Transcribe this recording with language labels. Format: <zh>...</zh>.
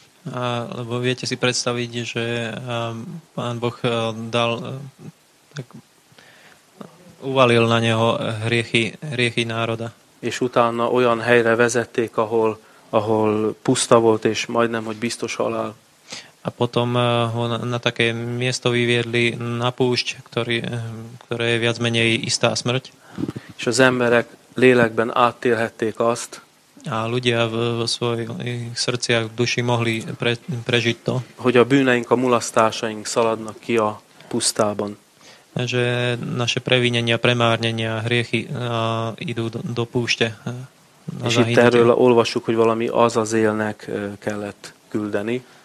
<sk>A, lebo viete si predstaviť, že pán Boh dal tak uvalil na neho hriechy národa.</sk> <hu>És utána olyan helyre vezették, ahol puszta volt, és majdnem, hogy biztos halál.</hu> <sk>A potom ho na také miesto vyviedli na púšť, ktoré je viac menej istá smrť.</sk> <hu>És az emberek lélekben átélhették azt.</hu> <sk>A ľudia v svojich srdciach, duši mohli prežiť to.</sk> <hu>Hogy a bűneink, a mulasztásaink szaladnak ki a pusztában.</hu> <sk>Že naše previnenia, premárnenia, hriechy idú do púšte.</sk> <hu>És itt erről olvasuk, hogy valami Azazelnek kellett küldeni.</hu>